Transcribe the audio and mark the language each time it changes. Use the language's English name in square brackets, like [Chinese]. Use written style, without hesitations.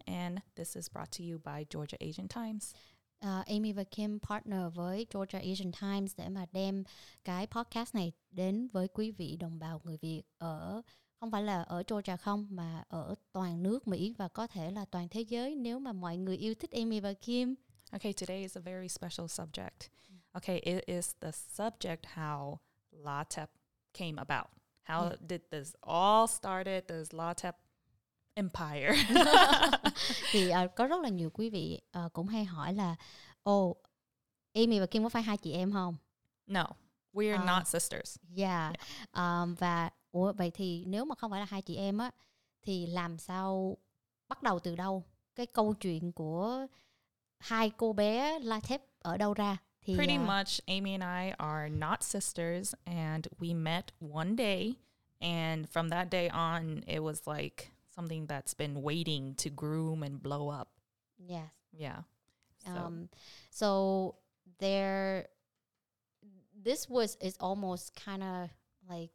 [English] And this is brought to you by Georgia Asian Times. [Vietnamese] Amy và Kim partner với Georgia Asian Times để mà đem cái podcast này đến với quý vị đồng bào người Việt ở, không phải là ở Georgia không, mà ở toàn nước Mỹ và có thể là toàn thế giới nếu mà mọi người yêu thích Amy và Kim. [English] Okay, today is a very special subject. Okay, it is the subject how LaTep came about. How did this all started, this LaTep empire? [Vietnamese] Thì có rất là nhiều quý vị cũng hay hỏi là Amy và Kim có phải hai chị em không? [English] No, we are not sisters. Yeah, yeah. [Vietnamese] Và ủa, vậy thì nếu mà không phải là hai chị em á, thì làm sao, bắt đầu từ đâu? Cái câu chuyện của hai cô bé LaTep ở đâu ra? [English] Thì pretty much Amy and I are not sisters, and we met one day, and from that day on, it was like something that's been waiting to groom and blow up. Yes. Yeah. So there, this was, is almost kind of like